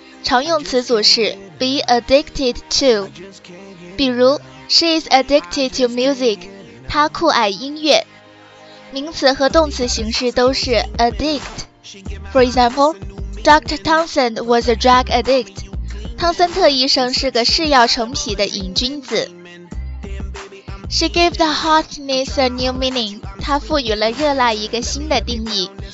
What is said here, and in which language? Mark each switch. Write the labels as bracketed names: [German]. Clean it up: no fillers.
[Chinese] 常用词组是 be addicted to. 比如 [English] She is addicted to music. [Chinese] 她酷爱音乐。名词和动词形式都是 addict. [English] For example, Dr. Townsend was a drug addict. [Chinese] 汤森特医生是个嗜药成癖的瘾君子。 [English] She gave the hotness a new meaning. [Chinese] 她赋予了热辣一个新的定义。